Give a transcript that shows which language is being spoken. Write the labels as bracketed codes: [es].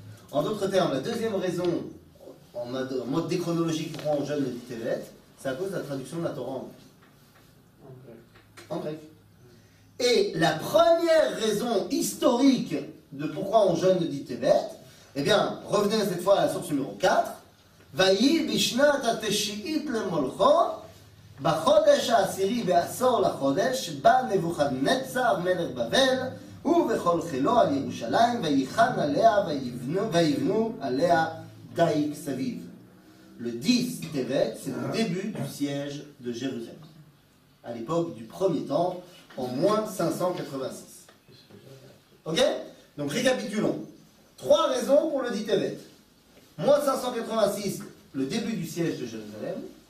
[fr] En d'autres termes, la deuxième raison, en mode déchronologique, pourquoi on jeûne le 10 Tevet, c'est à cause de la traduction de la Torah en grec. Et la première raison historique de pourquoi on jeûne le 10 Tevet, eh bien, revenez cette fois à la source numéro 4. [he] Vayi bishnat ha-teshi'it le-molcho. בחודש העשירי בעשור לחודש בא נבוכדנצר מלך בבל ובכל חילו על ירושלים ויחן עליה ויבנו עליה דייק סביב. [fr] Le 10 Tevet, c'est le début du siège de Jérusalem. À l'époque du premier temple, en moins 586. Ok? Donc récapitulons. Trois raisons pour le 10 Tevet. Moins 586, le début du siège de Jérusalem.